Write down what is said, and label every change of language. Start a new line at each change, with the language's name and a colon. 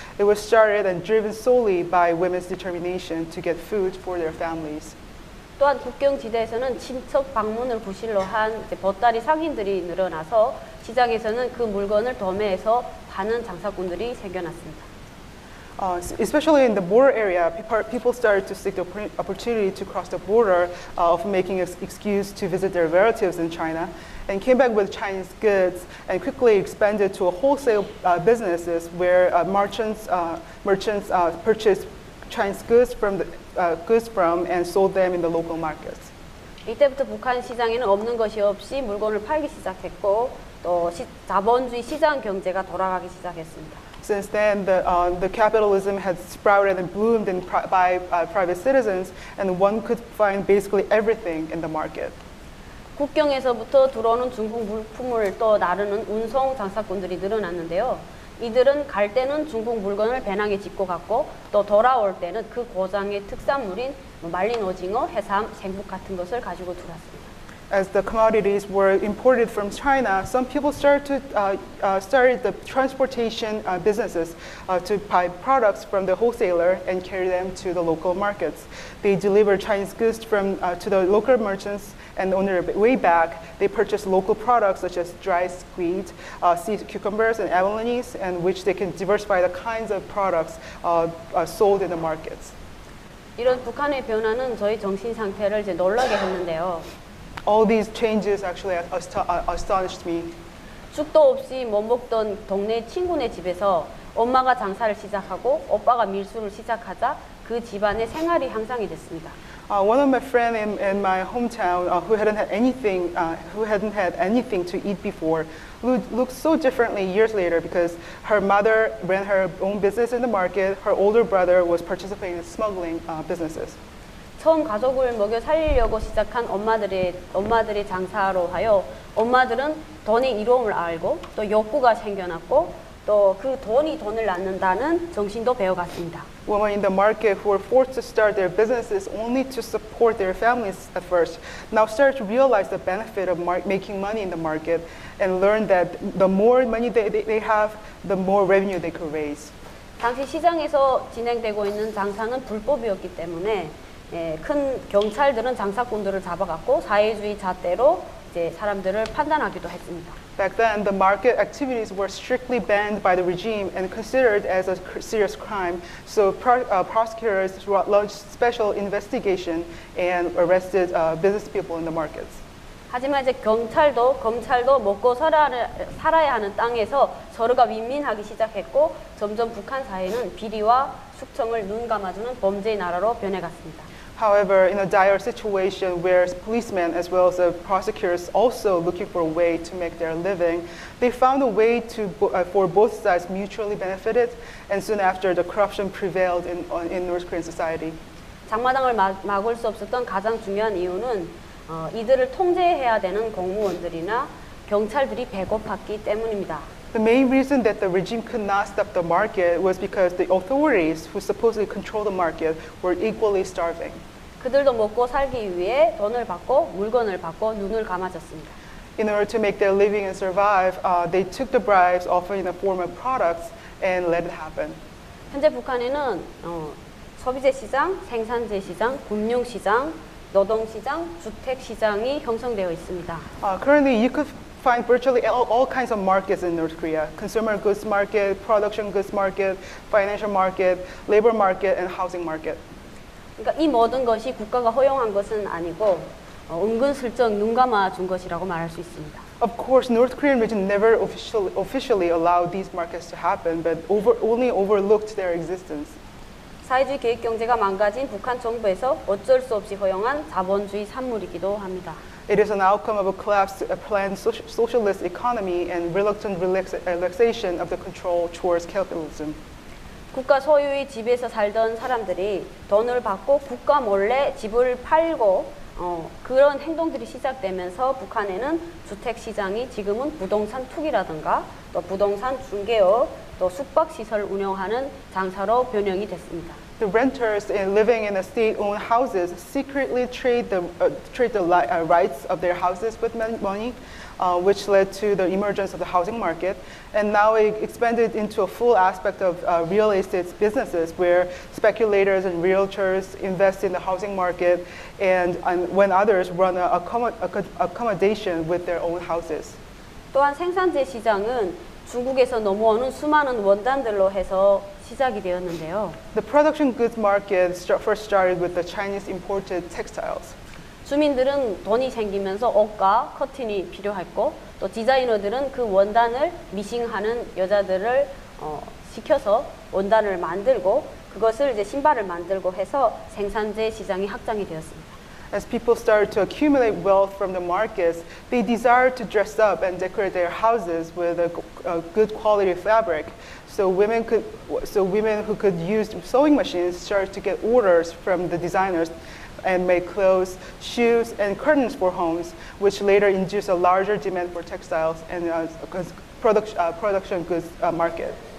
English: It was started and driven solely by women's determination to get food for their families.
Korean: 또한 국경지대에서는 친척 방문을 구실로 한 보따리 상인들이 늘어나서 시장에서는 그 물건을 도매해서 파는 장사꾼들이 생겨났습니다.
English: Especially in the border area, people started to seek the opportunity to cross the border of making an excuse to visit their relatives in China and came back with Chinese goods and quickly expanded to a wholesale businesses where merchants purchased Chinese goods from and sold them in the local markets.
Korean: 이때부터 북한 시장에는 없는 것이 없이 물건을 팔기 시작했고 또 자본주의 시장 경제가 돌아가기 시작했습니다.
English: Since then, the capitalism had sprouted and bloomed in by private citizens, and one could find basically everything in the market.
Korean: 국경에서부터 들어오는 중국 물품을 또 나르는 운송 장사꾼들이 늘어났는데요. 이들은 갈 때는 중국 물건을 배낭에 짚고 갔고 또 돌아올 때는 그 고장의 특산물인 말린 오징어, 해삼, 생북 같은 것을 가지고 들어왔습니다.
English: As the commodities were imported from China, some people started the transportation businesses to buy products from the wholesaler and carry them to the local markets. They delivered Chinese goods to the local merchants, and on their way back, they purchased local products such as dried squid, sea cucumbers, and abalones, and which they can diversify the kinds of products sold in the markets.
Korean: 이런 북한의 변화는 저희 정신 상태를 이제 놀라게 했는데요.
English: All these changes actually astonished me.
Korean: 죽도 없이 못 먹던 동네 친구네 집에서 엄마가 장사를 시작하고 오빠가 밀수를 시작하자 그 집안의 생활이 향상이 됐습니다.
English: One of my friends in my hometown who hadn't had anything to eat before looked so differently years later because her mother ran her own business in the market. Her older brother was participating in smuggling businesses.
Korean: 처음 가족을 먹여 살리려고 시작한 엄마들의 장사로 하여 엄마들은 돈의 이로움을 알고 또 욕구가 생겨났고 또 그 돈이 돈을 낳는다는 정신도 배워갔습니다.
English: Women in the market who were forced to start their businesses only to support their families at first now started to realize the benefit of making money in the market and learned that the more money they have, the more revenue they could raise.
Korean: 당시 시장에서 진행되고 있는 장사는 불법이었기 때문에 큰 경찰들은 장사꾼들을 잡아갔고 사회주의 잣대로 이제 사람들을 판단하기도 했습니다.
English: Back then, the market activities were strictly banned by the regime and considered as a serious crime. So prosecutors launched special investigation and arrested business people in the markets.
Korean: 하지만 이제 검찰도 먹고 살아야 하는 땅에서 서로가 윈윈하기 시작했고 점점 북한 사회는 비리와 숙청을 눈감아주는 범죄의 나라로 변해갔습니다.
English: However, in a dire situation where policemen as well as the prosecutors also looking for a way to make their living, they found a way to for both sides mutually benefited, and soon after the corruption prevailed in North Korean society.
Korean: 장마당을 막을 수 없었던 가장 중요한 이유는 이들을 통제해야 되는 공무원들이나 경찰들이 배고팠기 때문입니다.
English: The main reason that the regime could not stop the market was because the authorities who supposedly control the market were equally starving.
Korean: 그들도 먹고 살기 위해 돈을 받고 물건을 받고 눈을 감아졌습니다.
English: In order to make their living and survive, they took the bribes often in the form of products and let it happen.
Korean: 현재 북한에는 소비재 시장, 생산재 시장, 금융 시장, 노동 시장, 주택 시장이 형성되어 있습니다.
English: Currently, you could find virtually all kinds of markets in North Korea: consumer goods market, production goods market, financial market, labor market, and housing market.
Korean: 그러니까 이 모든 것이 국가가 허용한 것은 아니고 은근슬쩍 눈 감아 준 것이라고 말할 수 있습니다.
English: Of course, North Korean regime never officially allowed these markets to happen, but only overlooked their existence.
Korean: 사회주의 계획 경제가 망가진 북한 정부에서 어쩔 수 없이 허용한 자본주의 산물이기도 합니다.
English: It is an outcome of a collapsed, a planned socialist economy and reluctant relaxation of the control towards capitalism.
Korean: 국가 소유의 집에서 살던 사람들이 돈을 받고 국가 몰래 집을 팔고 그런 행동들이 시작되면서 북한에는 주택 시장이 지금은 부동산 투기라든가 또 부동산 중개업 또 숙박 시설 운영하는 장사로 변형이 됐습니다.
English: The renters living in the state-owned houses secretly trade the rights of their houses with money, which led to the emergence of the housing market. And now it expanded into a full aspect of real estate businesses, where speculators and realtors invest in the housing market, and when others run accommodation with their own houses.
Korean: 또한 생산재 시장은 중국에서 넘어오는 수많은 원단들로 해서 시작이 되었는데요.
English: The production goods market first started with the Chinese imported textiles.
Korean: 주민들은 돈이 생기면서 옷과 커튼이 필요했고 또 디자이너들은 그 원단을 미싱하는 여자들을 시켜서 원단을 만들고 그것을 이제 신발을 만들고 해서 생산재 시장이 확장이 되었습니다.
English: As people started to accumulate wealth from the markets, they desired to dress up and decorate their houses with a good quality fabric. So women who could use sewing machines started to get orders from the designers and make clothes, shoes, and curtains for homes, which later induced a larger demand for textiles and production goods market.